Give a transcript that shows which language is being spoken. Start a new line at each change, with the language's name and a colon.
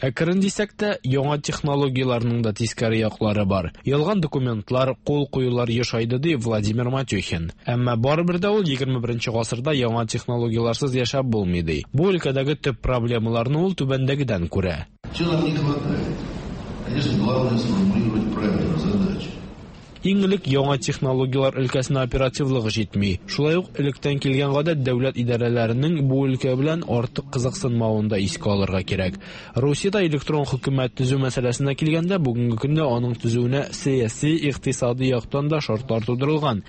Tatar: Әкрен дисәк тә, яңа технологияларның да тискәре яклары бар. Ялган документлар, кул куюлар яшайды, ди Владимир Матюхин. Әмма барыбер дә ул 21-нче гасырда яңа технологияларсыз яшәп булмый, ди. Бу өлкәдәге төп проблемаларны ул түбәндәгедән күрә.
Russian: Чынлап не хватает? Конечно, главное сформулировать правильно задачу.
Tatar: Иңлек яңа технологиялар өлкәсенә оперативлык җитми. Шулай ук электән килгән гадәт дәүләт идарәләренең бу өлкә белән артык кызыксынмавын да искә алырга кирәк. Русиядә электрон хөкүмәт төзү мәсьәләсенә килгәндә, бүгенге көндә аның төзүенә сәяси, икътисади яктан да шартлар тудырылган.